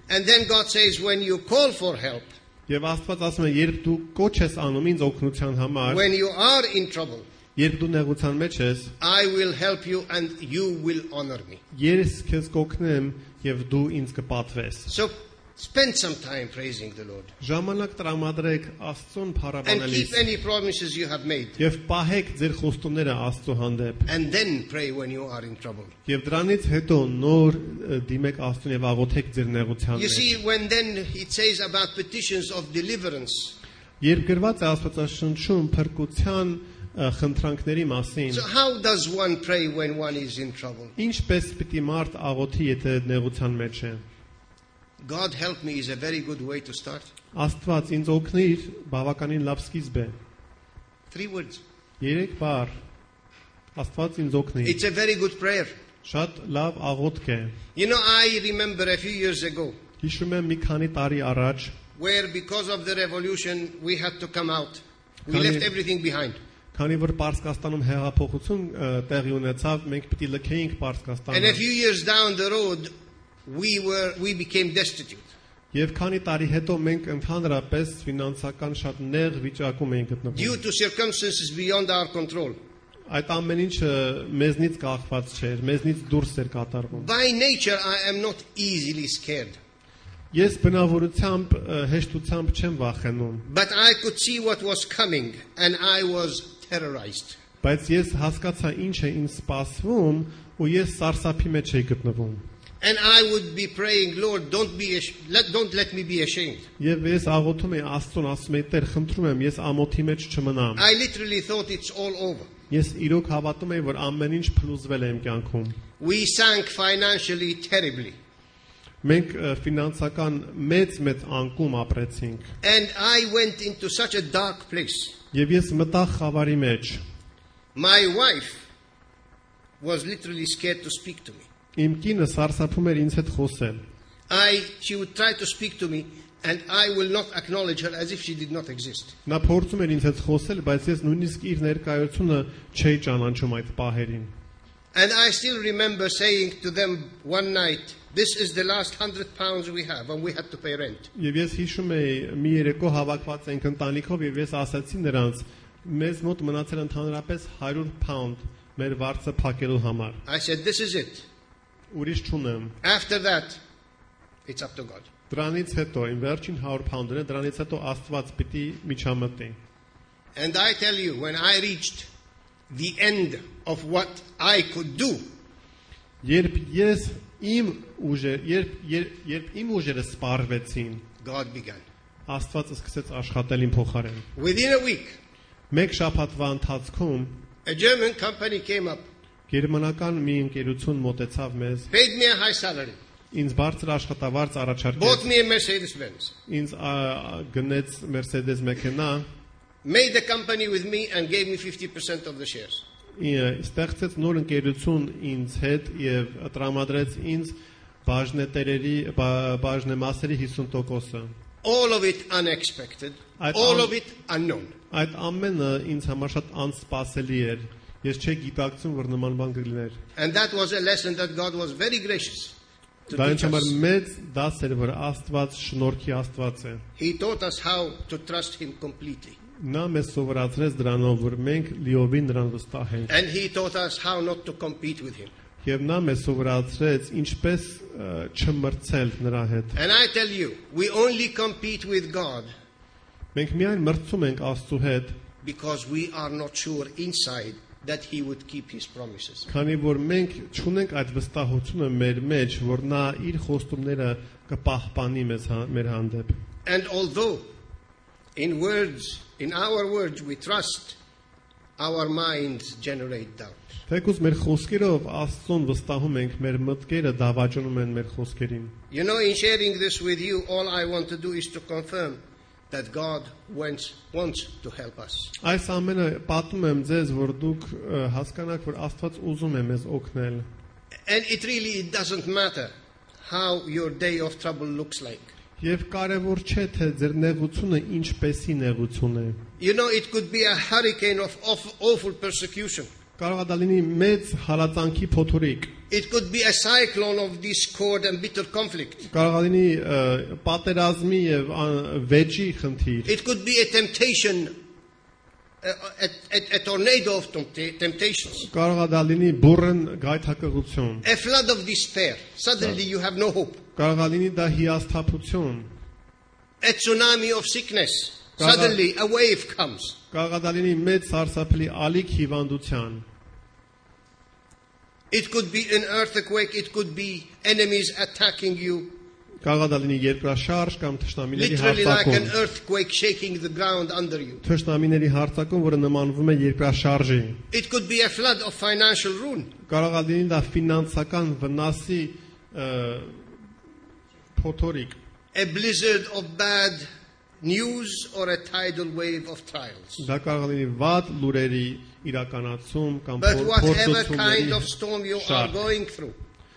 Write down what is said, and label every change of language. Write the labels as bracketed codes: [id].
[en] And then God says, when you call for help. [hy] Եվ Աստված ասում է, երբ դու կոչ ես անում ինձ օգնության համար։ [en] When you are in trouble. [hy] Երբ դու նեղության մեջ ես, [en] I will help you and you will honor me. [hy] Ես քեզ կօգնեմ եւ դու ինձ կպատվես։ [en] So spend some time praising the Lord. [hy] Ժամանակ տրամադրեք Աստծուն փառաբանելիս։ [en] And keep any promises you have made. [hy] Եվ պահեք ձեր խոստումները Աստծո հանդեպ։ [en] And then pray when you are in trouble. [hy] Եվ դրանից հետո նոր դիմեք Աստծուն եւ աղոթեք ձեր նեղության մեջ։ [en] You see, when then it says about petitions of deliverance. [hy] Երբ գրված է Աստվածաշնչում փրկության խնդրանքների մասին։ [en] So how does one pray when one is in trouble? [hy] Ինչպես պիտի մարդ աղոթի, եթե նեղության մեջ է։ [en] God help me is a very good way to start. [hy] Աստված ինձ օգնիր, բավականին լավ սկիզբ է։ [en] Three words. [hy] Երեք բառ. Աստված ինձ օգնիր։ [en] It's a very good prayer. [hy] Շատ լավ աղոթք է։ [en] You know, I remember a few years ago. [hy] Հիշում եմ մի քանի տարի առաջ, [en] where because of the revolution we had to come out. We left everything behind. [hy] Քանի որ Պարսկաստանում հեղափոխություն տեղի ունեցավ, մենք պիտի լքեինք Պարսկաստանը։ [en] And a few years down the road we became destitute. [hy] Եվ քանի տարի հետո մենք ընդհանրապես ֆինանսական շատ նեղ վիճակում էինք գտնվում։ [en] Due to circumstances beyond our control. [hy] Այդ ամեն ինչը մեզնից կախված չէր, մեզնից դուրս էր կատարվում։ [en] By nature I am not easily scared. [hy] Ես բնավորությամբ հեշտությամբ չեմ վախենում։ [en] But I could see what was coming and I was terrorized. [hy] Բայց ես հասկացա ինչ է ինձ սպասվում ու ես սարսափի մեջ էի գտնվում։ [en] And I would be praying, Lord, don't let me be ashamed. [hy] Եվ ես աղոթում եմ Աստծուն, ասում եմ, Տեր, խնդրում եմ, ես ամոթի մեջ չմնամ։ [en] I literally thought it's all over. [hy] Ես իրոք հավատում եմ, որ ամեն ինչ փլուզվել է իմ կյանքում։ [en] We sank financially terribly. [hy] Մենք ֆինանսական մեծ անկում ապրեցինք։ [en] And I went into such a dark place. [hy] Եվ ես մտա խավարի մեջ։ [en] My wife was literally scared to speak to me. [hy] Իմ կինը սարսափում էր ինձ հետ խոսել։ [en] She would try to speak to me and I will not acknowledge her as if she did not exist. [hy] Նա փորձում էր ինձ հետ խոսել, բայց ես նույնիսկ իր ներկայությունը չէի ճանաչում այդ պահերին։ [en] And I still remember saying to them one night, this is the last £100 we have and we had to pay rent. [hy] Եվ ես հիշում եի, մի երեկո հավաքված էինք ընտանիքով եւ ես ասացի նրանց, մեզ մոտ մնացել է ընդհանրապես £100 մեր վարձը փակելու համար։ [en] I said, this is it. [hy] Ուրիշ չունեմ։ [en] After that, it's up to God. [hy] Դրանից հետո ին վերջին 100 pound-ն է, դրանից հետո Աստված պիտի միջամտի։ [en] And I tell you, when I reached the end of what I could do, [hy] Երբ ես իմ ուժեր, երբ իմ ուժերը սպառվեցին, [en] God began. [hy] Աստվածը սկսեց աշխատել իմ փոխարեն. [en] Within a week. [hy] Մեկ շաբաթվա ընթացքում [en] a German company came up. [hy] Գերմանական մի ընկերություն մոտեցավ մեզ. [en] Paid me a high salary. [hy] Ինձ բարձր աշխատավարձ առաջարկեց. [en] Bought me a Mercedes-Benz. [hy] Ինձ գնեց Mercedes մեքենա. [en] Made the company with me and gave me 50% of the shares. [hy] Ստեղծեց նոր ընկերություն ինձ հետ եւ տրամադրեց ինձ բաժնետերերի բաժնեմասերի 50%-ը. [en] All of it unexpected. All of it unknown. [hy] Այդ ամենը ինձ համար շատ անսպասելի էր. Ես չէի գիտակցում, որ նման բան կլիներ. [en] And that was a lesson that God was very gracious. [hy] Դա ինձ համար մեծ դաս էր, որ Աստված շնորհքի Աստված է. [en] He taught us how to trust him completely. [hy] Նա մեզ սովորացրեց դրանով, որ մենք լիովին նրան վստահենք. [en] And he taught us how not to compete with him. [hy] Եվ նա մեզ սովորացրեց ինչպես չմրցել նրա հետ. [en] And I tell you, we only compete with God. [hy] Մենք միայն մրցում ենք Աստծու հետ. [en] Because we are not sure inside that he would keep his promises. [hy] Քանի որ մենք չունենք այդ վստահությունը մեր մեջ, որ նա իր խոստումները կպահպանի մեզ մեր հանդեպ. [en] And although in words, in our words we trust, our minds generate doubt. [hy] Թեկուզ մեր խոսքերով Աստծուն վստահում ենք, մեր մտքերը դավաճանում են մեր խոսքերին. [en] You know, in sharing this with you, all I want to do is to confirm that God wants to help us. [hy] Այս ամենը պատում եմ ձեզ, որ դուք հասկանաք, որ Աստված ուզում է մեզ օգնել. [en] And it really doesn't matter how your day of trouble looks like. [hy] Եվ կարևոր չէ, թե ձեր նեղությունը ինչպեսի նեղություն է. [en] You know, it could be a hurricane of awful persecution. [hy] Կարող է դա լինի մեծ հալածանքի փոթորիկ. [en] It could be a cyclone of discord and bitter conflict. [hy] Կարող է լինի պատերազմի եւ վեճի խնդիր. [en] It could be a temptation a tornado of temptations. [hy] Կարող է դա լինի բուրըն գայթակղություն. [en] A flood of despair. Suddenly you have no hope. [hy] Կարող է լինի դա հիասթափություն. [en] A tsunami of sickness. Suddenly a wave comes. [hy] Կարող է դա լինի մեծ սարսափելի ալիք հիվանդության. [en] It could be an earthquake, it could be enemies attacking you. [hy] Կարող է դա լինի երկրաշարժ կամ թշնամիների հարձակում. [en] Literally like an earthquake shaking the ground under you. [hy] Թշնամիների հարձակում, որը նմանվում է երկրաշարժի. [en] It could be a flood of financial ruin. [hy] Կարող է դա լինի ֆինանսական վնասի փոթորիկ. [en] A blizzard of bad news or a tidal wave of trials. [hy] Դա կարող է լինի վատ լուրերի իրականացում կամ փոթորիկի շարք.